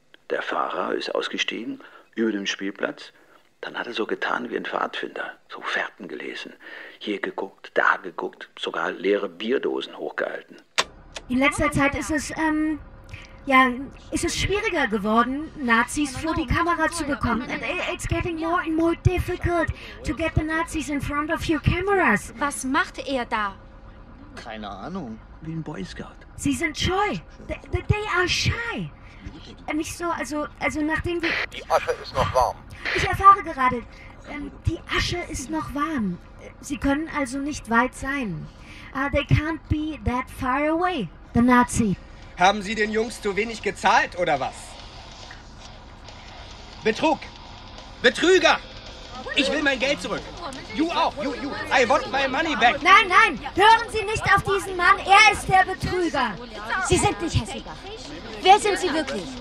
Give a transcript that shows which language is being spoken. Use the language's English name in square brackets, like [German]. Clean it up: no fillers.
[German] Der Fahrer ist ausgestiegen über dem Spielplatz. Dann hat er so getan wie ein Pfadfinder. So Fährten gelesen. Hier geguckt, da geguckt. Sogar leere Bierdosen hochgehalten. In letzter Zeit ist es schwieriger geworden, Nazis vor die Kamera zu bekommen. [English] It's getting more and more difficult to get the Nazis in front of your cameras. [German] Was macht er da? Keine Ahnung, wie ein Boy Scout. Sie sind scheu. [English] They are shy. [German] Nicht so, also nachdem wir... Die Asche ist noch warm. Ich erfahre gerade, die Asche ist noch warm. Sie können also nicht weit sein. [English] They can't be that far away, the Nazi. [German] Haben Sie den Jungs zu wenig gezahlt, oder was? Betrug! Betrüger! Ich will mein Geld zurück. You auch, you. [English] I want my money back. [German] Nein, nein, hören Sie nicht auf diesen Mann. Er ist der Betrüger. Sie sind nicht Hessiger. Wer sind Sie wirklich?